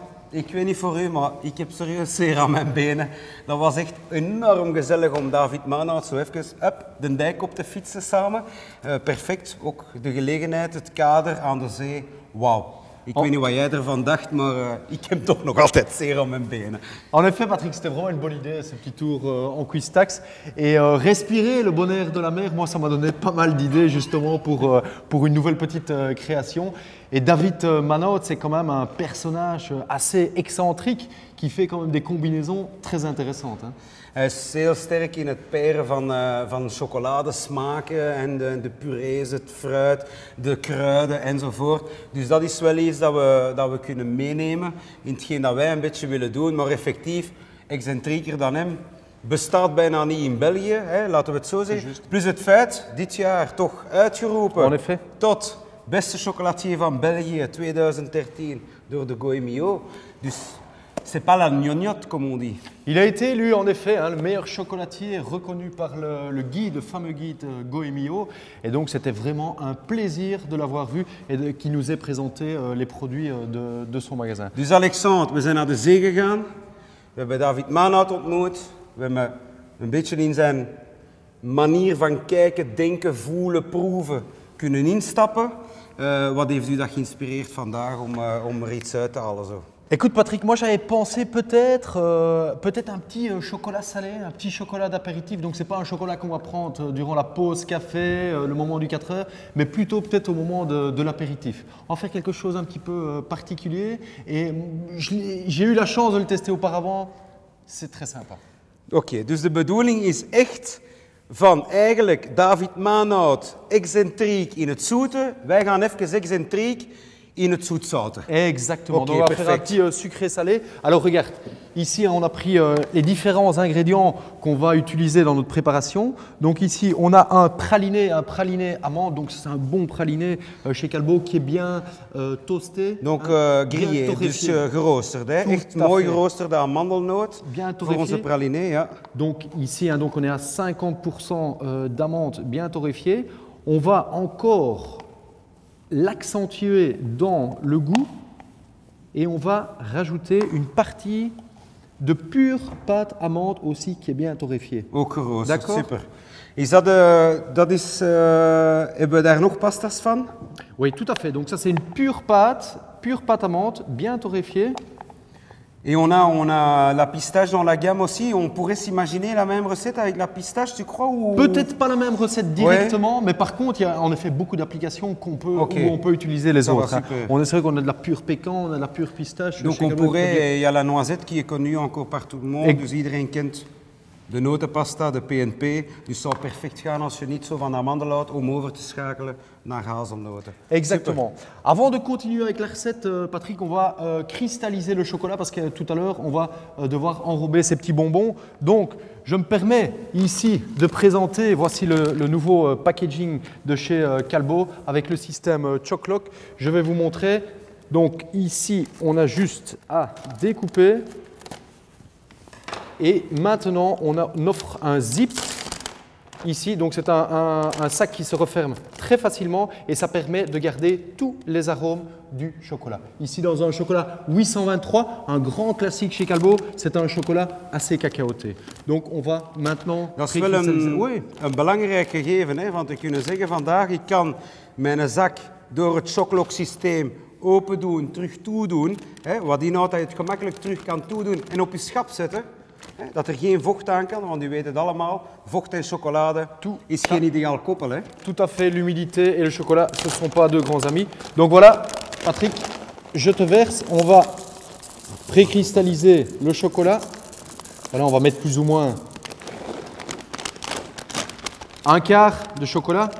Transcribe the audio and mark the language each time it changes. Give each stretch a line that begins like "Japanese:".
Dutch: Ik weet niet voor u, maar ik heb serieus zeer aan mijn benen. Dat was echt enorm gezellig om David Maanaert zo even up, de dijk op te fietsen samen. Perfect, ook de gelegenheid, het kader aan de zee. Wauw. Ik weet niet wat jij ervan dacht, maar ik heb toch nog altijd zeer aan mijn benen.
French: En effet, Patrick, c'était vraiment une bonne idée, ce petit tour en cuistax. Et respirer le bon air de la mer, moi, ça m'a donné pas mal d'idées, justement, pour une nouvelle petite création. Et David Maanaert, c'est quand même un personnage assez excentrique qui fait quand même des combinaisons très intéressantes. Hein.
Dutch: Hij is heel sterk in het pairen van chocoladesmaken en de purees, het fruit, de kruiden enzovoort. Dus dat is wel iets dat we kunnen meenemen in hetgeen dat wij een beetje willen doen. Maar effectief, excentrieker dan hem, bestaat bijna niet in België. Hè, laten we het zo zeggen. Just. Plus het feit, dit jaar toch uitgeroepen
French: en effet.
Dutch: Tot... Beste chocolatier van België 2013 door de Goemio.
French: Dus c'est pas la gnognotte, comme on dit. Il a été élu en effet hein, le meilleur chocolatier reconnu par le guide, le fameux guide Goemio. Et donc c'était vraiment un plaisir de l'avoir vu et qu'il nous ait présenté les produits de son magasin.
Dutch: Dus Alexandre, we zijn naar de zee gegaan. We hebben David Maanaert ontmoet. We hebben een beetje in zijn manier van kijken, denken, voelen, proeven kunnen instappen. Wat heeft u dat geïnspireerd vandaag om er iets uit te halen zo?
French: Écoute Patrick, moi j'avais pensé peut-être un petit chocolat salé, un petit chocolat d'apéritif. Donc c'est pas un chocolat qu'on va prendre durant la pause café, le moment du 4 heures, mais plutôt peut-être au moment de l'apéritif. En faire quelque chose un petit peu particulier. Et j'ai eu la chance de le tester auparavant. C'est très sympa.
Dutch: Ok, dus de bedoeling is echt van eigenlijk David Maanaert excentriek in het zoete. Wij gaan even excentriek in het zoet-zoute.
French: Exactement. Okay, on va faire un petit sucré-salé. Alors regarde, ici on a pris les différents ingrédients qu'on va utiliser dans notre préparation. Donc ici on a un praliné amande. Donc c'est un bon praliné chez Calbo qui est bien toasté. Donc grillé,
Dutch: dus geroosterd. Echt mooi geroosterde amandelnoot.
French: Bien torréfié.
Dutch: Voor onze praliné, ja.
French: Donc ici hein, donc on est à 50% d'amande bien torréfiée. On va encore l'accentuer dans le goût et on va rajouter une partie de pure pâte amande aussi qui est bien torréfiée.
Dutch: Ook geroosterd. D'accord. Super. Is dat dat is hebben we daar nog pastas van?
French: Oui, tout à fait. Donc ça c'est une pure pâte amande bien torréfiée. Et on a la pistache dans la gamme aussi. On pourrait s'imaginer la même recette avec la pistache, tu crois ou... Peut-être pas la même recette directement, ouais. Mais par contre, il y a en effet beaucoup d'applications où on peut utiliser les ça autres. On est sûr qu'on a de la pure pécan, on a de la pure pistache. Donc on pourrait, il y a la noisette qui est connue encore par tout le monde.
Dutch: Dus iedereen kent de notenpasta, de PNP. Dus zou perfect gaan als je niet zo van amandel houdt om over te schakelen naar hazelnoten.
French: Exactement. Super. Avant de continuer avec la recette, Patrick, on va cristalliser le chocolat parce que tout à l'heure, on va devoir enrober ces petits bonbons. Donc, je me permets ici de présenter, voici le nouveau packaging de chez Calbo avec le système Choclock. Je vais vous montrer Donc ici, on a juste à découper. Et maintenant, on offre un zip ici. Donc c'est un sac qui se referme très facilement et ça permet de garder tous les arômes du chocolat. Ici, dans un chocolat 823, un grand classique chez Calbo, c'est un chocolat assez cacaoté. Donc on va maintenant...
Dutch: C'est wel un belangrijk gegeven, want ik kunnen zeggen vandaag, ik kan mijn zak door het chocolat-systeem open doen, terug toedoen, wat inhoudt dat je het gemakkelijk terug kan toedoen en op je schap zetten, dat er geen vocht aan kan, want u weet het allemaal, vocht en chocolade is geen ideaal koppel.
French: Tout à fait, l'humidité et le chocolat, ce ne sont pas deux grands amis. Donc voilà, Patrick, je te verse, on va précristalliser le chocolat. Voilà, on va mettre plus ou moins un quart de chocolat.